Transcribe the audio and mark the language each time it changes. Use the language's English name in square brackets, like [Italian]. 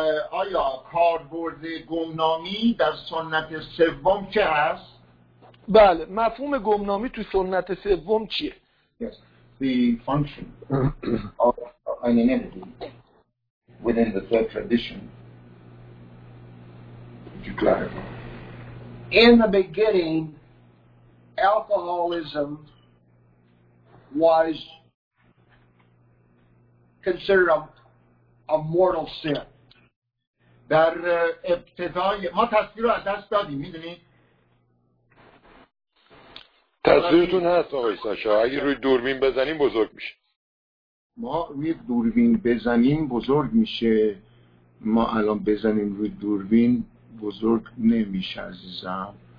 [Persian] آیا کاربرد گمنامی در سنت سوم چه هست؟ بله مفهوم گمنامی تو سنت سوم چیه؟ [English] Yes. The function of anonymity within the third tradition. Could you clarify? In the beginning, alcoholism was considered a mortal sin. [Persian] در ابتدای ما تصویر رو از دست دادیم، میدونید؟ تصویرتون هست آقای ساشا، اگه روی دوربین بزنیم بزرگ میشه. ما روی دوربین بزنیم بزرگ میشه. ما الان بزنیم روی دوربین بزرگ نمیشه عزیزم.